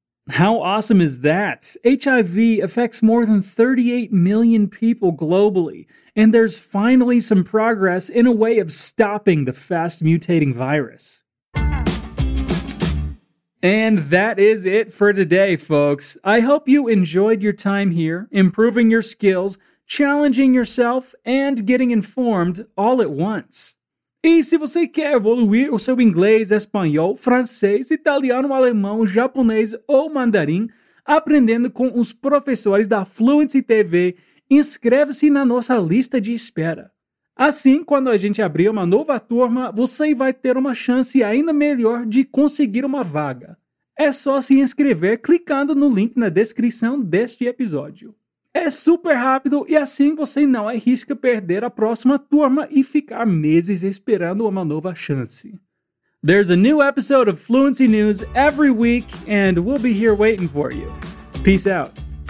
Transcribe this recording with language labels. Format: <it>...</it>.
<en>How awesome is that? HIV affects more than 38 million people globally, and there's finally some progress in a way of stopping the fast-mutating virus. And that is it for today, folks. I hope you enjoyed your time here, improving your skills, challenging yourself, and getting informed all at once.</en> <pt>E se você quer evoluir o seu inglês, espanhol, francês, italiano, alemão, japonês ou mandarim, aprendendo com os professores da Fluency TV, inscreve-se na nossa lista de espera. Assim, quando a gente abrir uma nova turma, você vai ter uma chance ainda melhor de conseguir uma vaga. É só se inscrever clicando no link na descrição deste episódio. É super rápido e assim você não arrisca perder a próxima turma e ficar meses esperando uma nova chance.</pt> <en>There's a new episode of Fluency News every week and we'll be here waiting for you. Peace out.</en>